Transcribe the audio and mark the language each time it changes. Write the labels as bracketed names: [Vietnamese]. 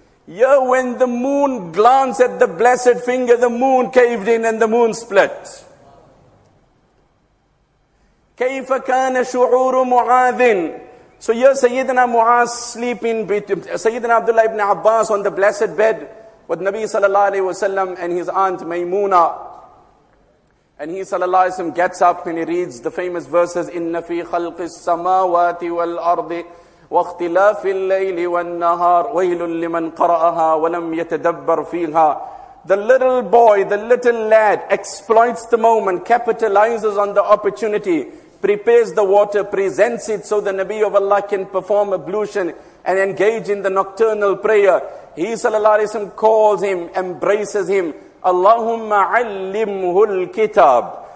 [English] Yeah, when the moon glanced at the blessed finger, the moon caved in and the moon split. [Arabic] كَيْفَ كَانَ شُعُورُ مُعَاذٍ. [English] So here Sayyidina Mu'adh sleeping between Sayyidina Abdullah ibn Abbas on the blessed bed with Nabi sallallahu alayhi wasallam and his aunt Maymuna. And he sallallahu alayhi wasallam gets up and he reads the famous verses, [Arabic] إِنَّ فِي خَلْقِ السَّمَاوَاتِ وَالْأَرْضِ وَاخْتِلَافِ اللَّيْلِ وَالنَّهَارِ وَيْلٌ لِمَنْ قَرَأَهَا وَلَمْ يَتَدَبَّرْ فِيهَا. [English] The little boy, the little lad exploits the moment, capitalizes on the opportunity, prepares the water, presents it so the Nabi of Allah can perform ablution and engage in the nocturnal prayer. He, sallallahu alayhi wa sallam, calls him, embraces him. [Arabic] Allahumma allimhu al-kitab.